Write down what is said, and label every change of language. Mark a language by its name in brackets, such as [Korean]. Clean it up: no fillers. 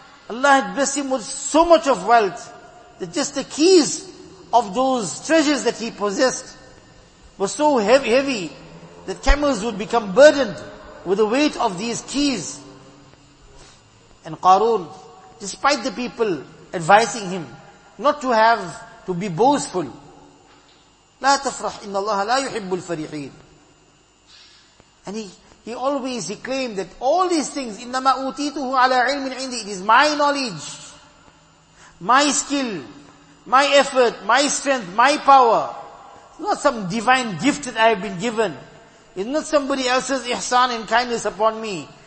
[English] Allah had blessed him with so much of wealth that just the keys of those treasures that he possessed were so heavy that camels would become burdened with the weight of these keys. And Qarun, despite the people advising him not to have, to be boastful. [Arabic] لا تفرح إن الله لا يحب الفريحين. [English] And he always claimed that all these things, [Arabic] إِنَّمَا أُوتِيتُهُ عَلَىٰ عِلْمٍ عِنْدِي, [English] it is my knowledge, my skill, my effort, my strength, my power. It's not some divine gift that I have been given. It's not somebody else's ihsan and kindness upon me.